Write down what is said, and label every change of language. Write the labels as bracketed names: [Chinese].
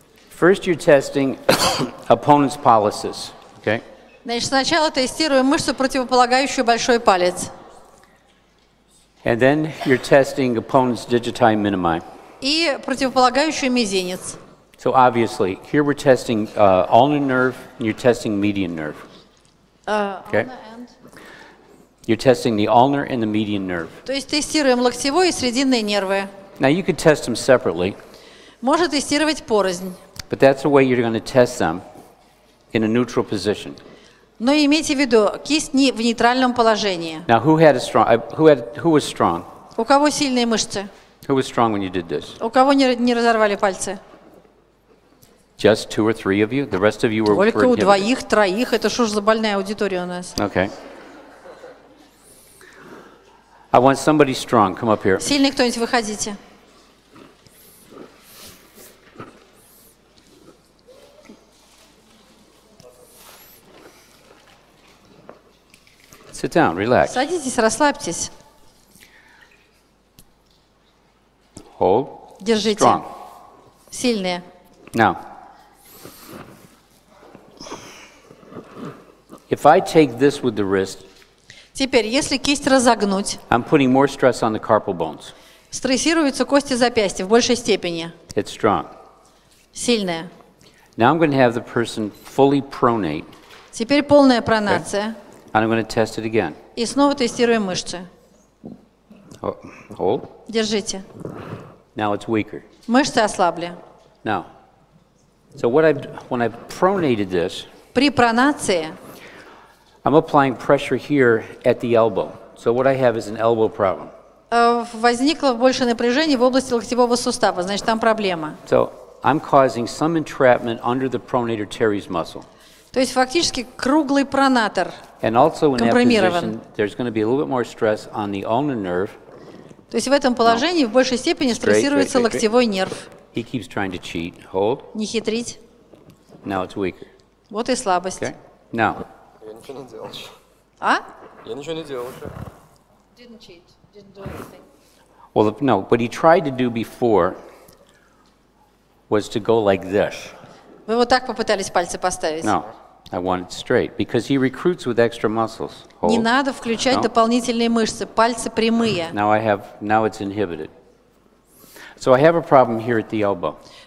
[English] First, you're testing opponent's pollicis. Okay. [Russian] Значит, сначала тестируем мышцу противополагающую большой палец. [English] And then you're testing opponent's digiti minimi. [Russian] И противополагающую мизинец. [English] So obviously, here we're testing ulnar nerve, and you're testing median nerve. Okay. And? You're testing the ulnar and the median nerve. [Russian] То есть тестируем локтевой и срединные нервы. [English] Now you could test them separately. [Russian] Можно тестировать порознь. [English] But that's the way you're going to test them in a neutral position. [Russian] Но имейте в виду, кисть не в нейтральном положении. [English] Now who had a strong? Who was strong? [Russian] У кого сильные мышцы? [English] Who was strong when you did this? [Russian] У кого не разорвали пальцы? [English] Just two or three of you. The rest of you were. [Russian] Только у двоих, троих. Это что ж за больная аудитория у нас? [English] Okay. I want somebody strong. Come up here. [Russian] Сильный кто-нибудь, выходите. [English] Sit down, relax. [Russian] Садитесь, расслабьтесь. [English] Hold. [Russian] Держите. [English] Strong. [Russian] Сильные. [English] Now. If I take this with the wrist, [Russian] теперь, если кисть разогнуть, [English] I'm putting more stress on the carpal bones. [Russian] Стрессируются кости запястья в большей степени. [English] It's strong. [Russian] Сильная. [English] Now I'm going to have the person fully pronate. [Russian] Теперь полная пронация. [English] Okay. And I'm going to test it again. [Russian] И снова тестируем мышцы. [English] Hold. [Russian] Держите. [English] Now it's weaker. [Russian] Мышцы ослабли. [English] Now. So what I've, when I've pronated this, [Russian] при пронации, [English] I'm applying pressure here at the elbow. So what I have is an elbow problem. [Russian] Возникло больше напряжения в области локтевого сустава, значит, там проблема. [English] So I'm causing some entrapment under the pronator teres muscle. [Russian] То есть фактически круглый пронатор. [English] And also in that position, there's going to be a little bit more stress on the ulnar nerve. [Russian] То есть в этом положении в большей степени стрессируется локтевой нерв. [English] He keeps trying to cheat. Hold. [Russian] Не хитрить. [English] Now it's weaker. [Russian] Вот и слабость. [English] Okay. Now. [Russian] Я ничего не делал. А? Я ничего не делал еще. [English] Didn't cheat. Didn't do anything. Well, no, what he tried to do before was to go like this. [Russian] Вы вот так попытались пальцы поставить. [English] No, I want it straight, because he recruits with extra muscles. Hold. [Russian] Не надо включать дополнительные мышцы, пальцы прямые. [English] Now it's inhibited. So I have a problem here at the elbow.